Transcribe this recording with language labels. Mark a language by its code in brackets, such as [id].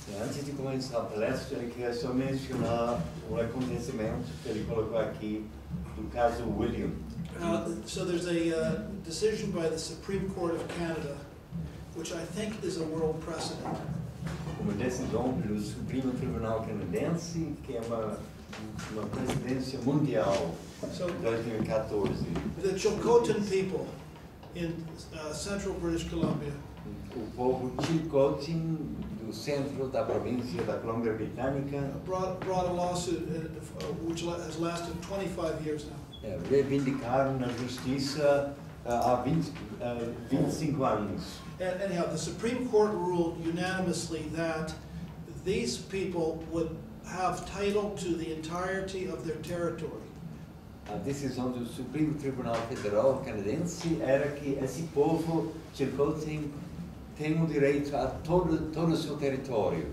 [pt] Antes de começar a palestra, eu queria só mencionar um acontecimento que ele colocou aqui do caso William. [en] So there's a decision by the Supreme Court of Canada, which I think is a world precedent. [pt] Uma decisão pelo Supremo Tribunal Canadense, que é uma presidência mundial, so, 2014. [en] The Chilcotin people in central British Columbia. [pt] O povo Chilcotin do centro da província da Colômbia Britânica. [en] Brought a lawsuit which has lasted 25 years now. [pt] Reivindicaram na justiça há 25 anos. [en] Anyhow, the Supreme Court ruled unanimously that these people would have title to the entirety of their territory. [pt] A decisão do Supremo Tribunal Federal Canadense era que esse povo Chilcotin tem o direito a todo o seu território.